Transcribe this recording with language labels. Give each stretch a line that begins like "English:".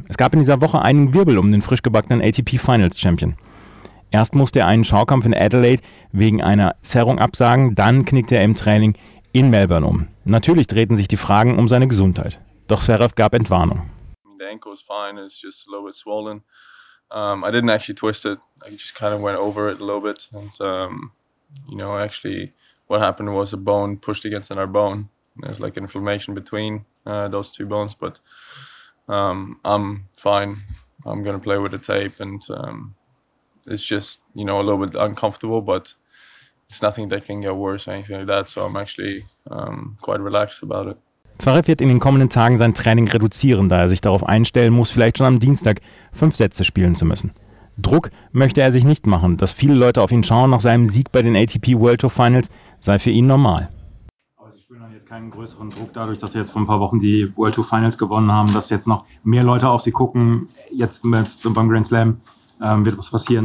German: Es gab in dieser Woche einen Wirbel um den frisch gebackenen ATP Finals Champion. Erst musste er einen Schaukampf in Adelaide wegen einer Zerrung absagen, dann knickte er im Training in Melbourne um. Natürlich drehten sich die Fragen um seine Gesundheit. Doch Zverev gab Entwarnung.
English: The ankle was fine, it's just a little bit swollen. I didn't actually twist it. I just kind of went over it a little bit. And actually what happened was a bone pushed against another bone. There's like inflammation between those two bones, but I'm fine. I'm gonna play with the tape and it's just, you know, a little bit uncomfortable, but it's nothing that can get worse or anything like that. So I'm actually quite relaxed about it.
German: Zverev wird in den kommenden Tagen sein Training reduzieren, da er sich darauf einstellen muss, vielleicht schon am Dienstag 5 Sätze spielen zu müssen. Druck möchte er sich nicht machen. Dass viele Leute auf ihn schauen nach seinem Sieg bei den ATP World Tour Finals, sei für ihn normal. Aber sie spielen dann jetzt keinen größeren Druck dadurch, dass Sie jetzt vor ein paar Wochen die World Tour Finals gewonnen haben, dass jetzt noch mehr Leute auf Sie gucken, jetzt beim Grand Slam wird was passieren?